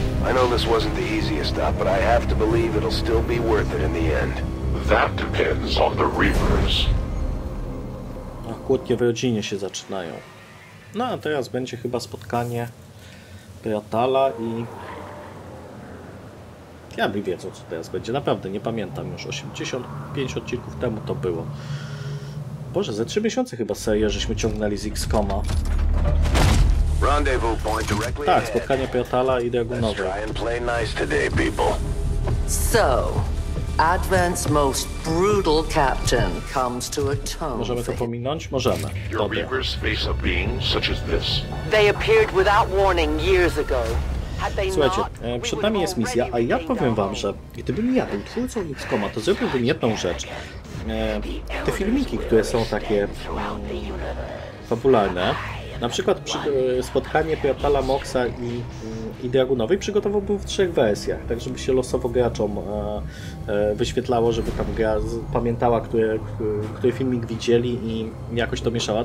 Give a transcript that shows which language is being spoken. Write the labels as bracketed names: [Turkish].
[English] I know this wasn't the easiest stop, but I have to believe it'll still be worth it in the end. That depends on the Reapers. [Polish] Ach, kłótnie w rodzinie się zaczynają. No a teraz będzie chyba spotkanie Piatala i... Ja bym wiedział, co teraz będzie. Naprawdę nie pamiętam już. 85 odcinków temu to było. Boże, ze 3 miesiące chyba serię żeśmy ciągnęli z X-Coma. [English] Rendezvous point directly. [Polish] Tak, spotkanie Piotala i Dragunowa. [English] Let's try and play nice today, people. So, Advent's most brutal captain comes to atone. [Polish] Możemy to pominąć? Możemy. Dobra. [English] Your Reapers face a being such as this. They appeared without warning years ago. [Polish] Słuchajcie, przed nami jest misja, a ja powiem wam, że gdybym ja był twórcą X-Coma, to zrobiłbym jedną rzecz. Te filmiki, które są takie fabularne. Na przykład spotkanie Piotala, Moxa i Dragunowej przygotowałbym w trzech wersjach, tak żeby się losowo graczom wyświetlało, żeby tam gra pamiętała, który filmik widzieli i jakoś to mieszała.